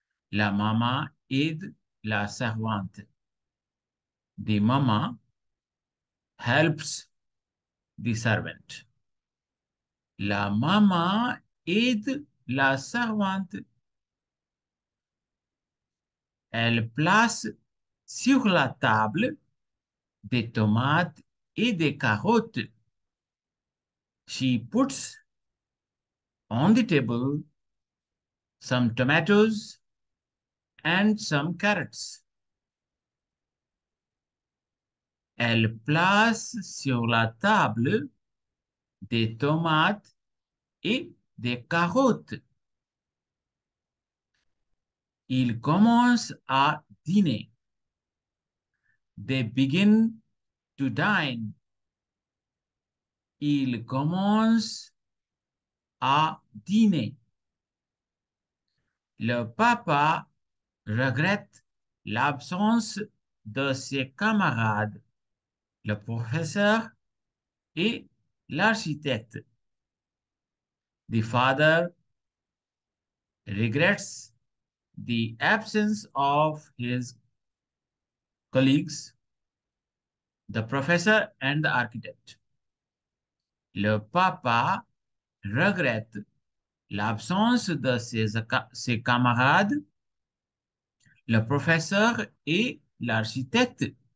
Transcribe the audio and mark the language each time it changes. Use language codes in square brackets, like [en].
[fr] La maman aide la servante. [en] The mama helps the servant. [fr] La maman aide la servante. Elle place sur la table des tomates et des carottes. [en] She puts on the table some tomatoes and some carrots. [fr] Elle place sur la table des tomates et des carottes. Il commence à dîner. [en] They begin to dine. [fr] Il commence à dîner. Le papa regrette l'absence de ses camarades, le professeur et l'architecte. [en] The father regrets the absence of his colleagues, the professor and the architect. [fr] Le papa regrette l'absence de ses camarades, le professeur et l'architecte.